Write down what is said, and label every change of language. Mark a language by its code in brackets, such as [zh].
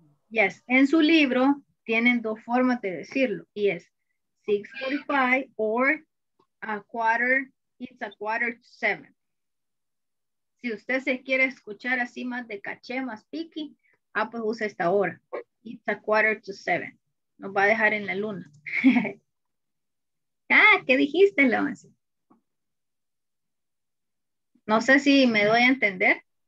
[es] Yes. En su libro tienen dos formas de decirlo. [en] Y es 6:45 or a quarter, it's a quarter to 7. [es] Si usted se quiere escuchar así más de caché, más piqui, pues usa esta hora. It's a quarter to 7. Nos va a dejar en la luna. Ah, ¿qué dijiste, Lawrence? No sé si me doy a entender.